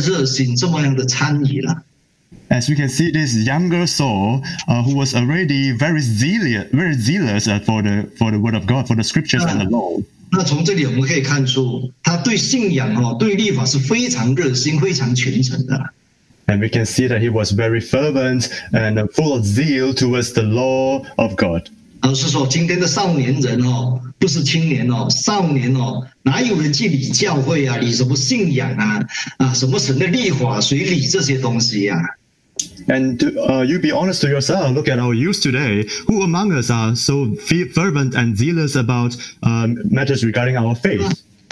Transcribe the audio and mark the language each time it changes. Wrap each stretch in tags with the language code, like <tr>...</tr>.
<zh>那么我们看到他在少年时期,就为立法这么的热心,这么样的参与了。</zh> <en>As we can see, this younger Saul, who was already very zealous for the word of God, for the scriptures and the law.</en> <zh>那从这里我们可以看出，他对信仰哦，对律法是非常热心、非常虔诚的。</zh> <en>And we can see that he was very fervent and full of zeal towards the law of God.</en> <zh>而是说，今天的少年人哦，不是青年哦，少年哦，哪有人去理教会啊？理什么信仰啊？啊，什么神的律法？谁理这些东西呀？</zh> <en>And you be honest to yourself, look at our youth today. Who among us are so fervent and zealous about matters regarding our faith?</en>